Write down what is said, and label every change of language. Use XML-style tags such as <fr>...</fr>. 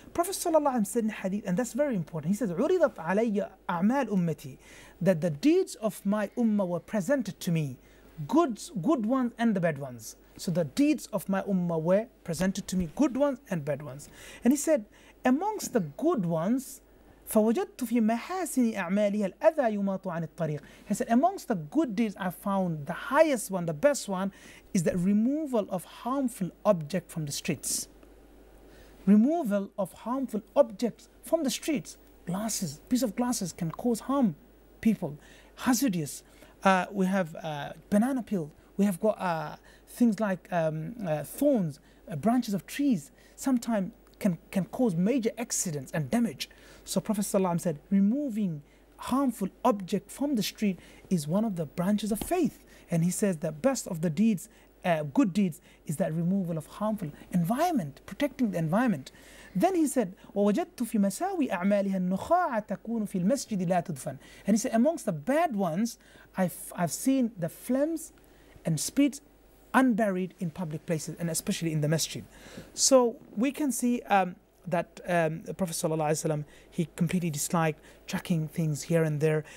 <en>Prophet sallallahu alaihi wasallam said in hadith, and that's very important. He says,</en> <ar>"Uridat alayya a'mal ummati,"</ar> <en>that the deeds of my ummah were presented to me, good ones and the bad ones. So the deeds of my ummah were presented to me, good ones and bad ones. And he said, amongst the good ones,</en> <ar>فَوَجَدْتُ فِي مَحَاسِنِ أَعْمَالِهَا الْأَذَى يُمَاطُ عَنِ الطَّرِيقِ.</ar> <en>He said, amongst the good deeds I found, the highest one, the best one, is the removal of harmful objects from the streets. Removal of harmful objects from the streets. Glasses, piece of glasses can cause harm, people. Hazardous. We have banana peel. We have got things like thorns, branches of trees. Sometimes can cause major accidents and damage. So Prophet ﷺ said, removing harmful object from the street is one of the branches of faith. And he says the best of the deeds, good deeds, is that removal of harmful environment, protecting the environment. Then he said,</en> <ar>وَوَجَدْتُ فِي مَسَاوِي أَعْمَالِهَا النُّخَاعَ تَكُونُ فِي الْمَسْجِدِ لَا تُدْفَنُ.</ar> <en>And he said, amongst the bad ones, I've seen the phlegms and spit unburied in public places, and especially in the masjid. So we can see that Prophet sallallahu alaihi wasallam, he completely disliked chucking things here and there.</en>